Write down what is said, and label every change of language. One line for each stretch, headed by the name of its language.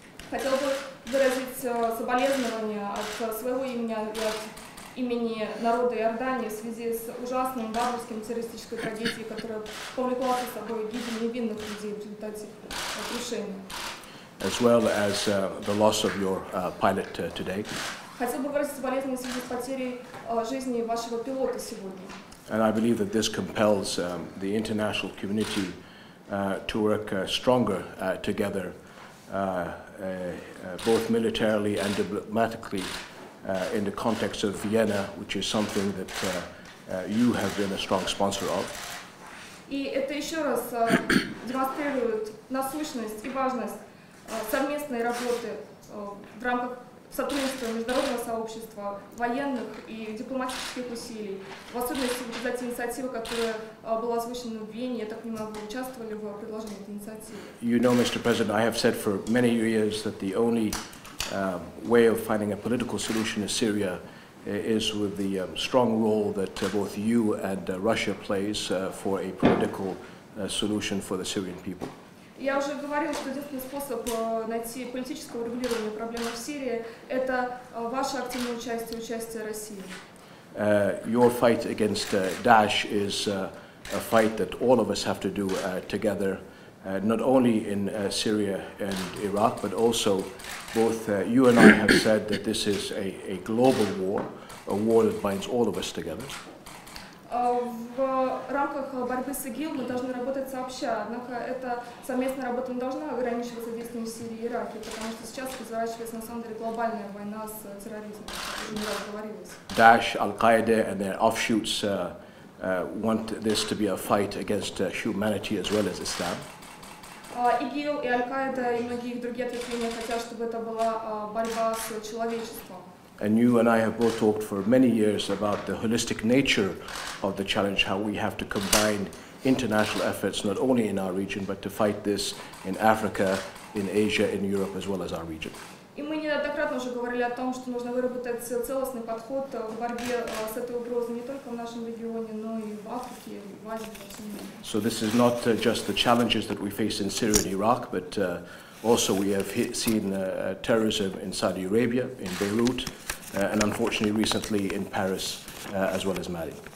Russian: Хотел бы выразить соболезнования от своего имени и от имени народа Иордании в связи с ужасной бабушкинской террористической трагедией, которая повлекла за собой гибель невинных людей в результате крушения.
English: As well as the loss of your pilot today.
Russian: Хотел бы выразить соболезнования в связи с потерей жизни вашего пилота сегодня.
English: And I believe that this compels the international community to work stronger together, both militarily and diplomatically, in the context of Vienna, which is something that you have been a strong sponsor of.
Russian: И это еще раз демонстрирует насущность и важность совместной работы в рамках сотрудничество международного сообщества, военных и дипломатических усилий, в особенности вот эти инициативы, которые была озвучена в Вене, я так понимаю, вы участвовали в предложении этой инициативы.
English: You know, Mr. President, I have said for many years that the only way of finding a political solution in Syria is with the strong role that both you and Russia plays for a political solution for the Syrian people.
Russian: Я уже говорила, что единственный способ найти политическое урегулирование проблемы в Сирии – это ваше активное участие, участие России.
English: Your fight against Daesh is a fight that all of us have to do together, not only in Syria and Iraq, but also both you and I have said that this is a global war, a war that binds all of us together.
Russian: В рамках борьбы с ИГИЛ мы должны работать сообща, однако эта совместная работа не должна ограничиваться действием в Сирии и Ираке, потому что сейчас разворачивается на самом деле глобальная война с терроризмом, как уже не раз говорилось.
English: Daesh, Al-Qaeda and their offshoots want this to be a fight against humanity as well as Islam.
Russian: ИГИЛ и Аль-Каида и многие их другие ответвления хотят, чтобы это была борьба с человечеством.
English: And you and I have both talked for many years about the holistic nature of the challenge, how we have to combine international efforts, not only in our region, but to fight this in Africa, in Asia, in Europe, as well as our region.
Russian: И мы неоднократно уже говорили о том, что нужно выработать целостный подход в борьбе с этой угрозой не только в нашем регионе, но и в Африке, в Азии, в Азии.
English: So this is not just the challenges that we face in Syria and Iraq, but also, we have seen terrorism in Saudi Arabia, in Beirut, and unfortunately, recently in Paris, as well as Mali.